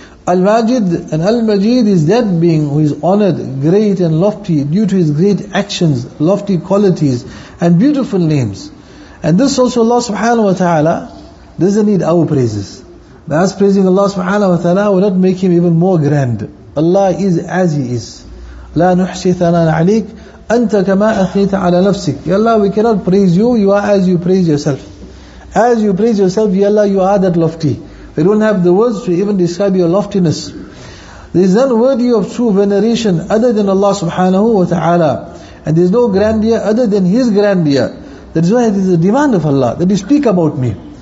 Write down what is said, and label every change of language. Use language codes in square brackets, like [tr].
[en] Al-Majid and Al-Majid is that being who is honored, great and lofty due to his great actions, lofty qualities and beautiful names. And this also Allah subhanahu wa ta'ala doesn't need our praises. By us praising Allah subhanahu wa ta'ala will not make him even more grand. Allah is as he is. [ar] لا نحصي ثناء عليك أنت كما أثنيت على نفسك. [en] Ya Allah, we cannot praise you, you are as you praise yourself. As you praise yourself, Ya Allah, you are that lofty. We don't have the words to even describe your loftiness. There is none worthy of true veneration other than Allah subhanahu wa ta'ala. And there is no grandeur other than His grandeur. That is why it is a demand of Allah that you speak about me.